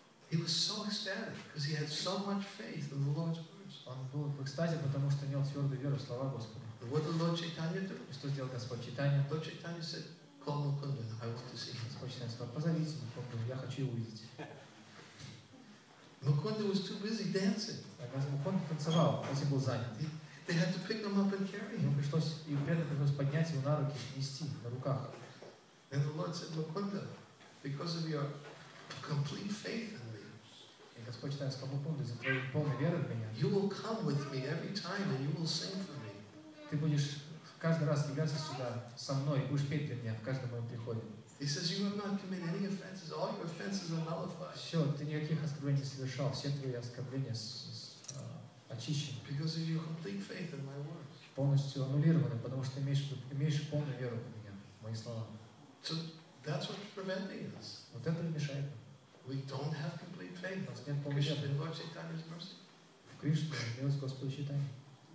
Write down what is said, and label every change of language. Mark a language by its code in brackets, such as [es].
[en] He was so ecstatic because he had so much faith in the Lord's words. [ru] Он был в экстазе, потому что имел твердую веру в слова Господа. [en] What did Lord Chaitanya do? [ru] Что сделал Господь Чайтанья? [en] Lord Chaitanya said, "Call Mukunda, I want to see him." [ru] Господь Чайтанья сказал, позовите Мукунду, я хочу его увидеть. [en] Mukunda was too busy dancing. [ru] Mukunda танцевал, он был занят. [en] They had to pick him up and carry him. [ru] Ему пришлось и пришлось поднять его на руки, нести на руках. [en] And the Lord said, "Mukunda, because of your complete faith in me." [ru] И Господь Чайтанья сказал, Mukunda, за твою полную веру в меня. [en] You will come with me every time, and you will sing for me. [ru] Ты будешь каждый раз являться сюда со мной, будешь петь для меня в каждом моем приходе. [en] He says, you have not committed any offenses. All your offenses are nullified. [ru] Все, ты никаких оскорблений не совершал. Все твои оскорбления очищены. [en] Because of your complete faith in my words. [ru] Полностью аннулированы, потому что имеешь полную веру в меня, в мои слова. [en] So that's what's preventing us. [ru] Вот это и мешает. [en] We don't have complete faith. [ru] У нас нет полной веры. [en] Because of the Lord Chaitanya's mercy. [ru] В Кришне, милость Господа Чайтанья.